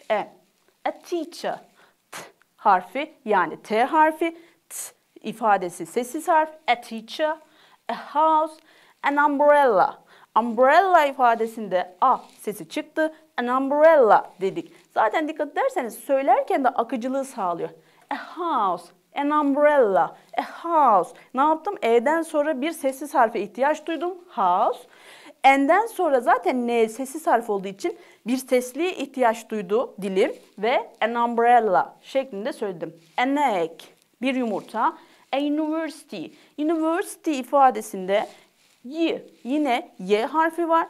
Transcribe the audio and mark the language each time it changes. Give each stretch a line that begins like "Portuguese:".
Turkish: E. A teacher. T harfi, yani T harfi. T ifadesi sessiz harf.
English: A teacher. A house. An umbrella.
Turkish: Umbrella ifadesinde A sesi çıktı. An umbrella dedik. Zaten dikkat ederseniz söylerken de akıcılığı sağlıyor.
English: A house, an umbrella, a house.
Turkish: Ne yaptım? E'den sonra bir sessiz harfe ihtiyaç duydum. House. N'den sonra zaten N sessiz harf olduğu için bir sesliğe ihtiyaç duydu dilim. Ve an umbrella şeklinde söyledim.
English: An egg,
Turkish: bir yumurta.
English: A university.
Turkish: University ifadesinde Y, yine Y harfi var.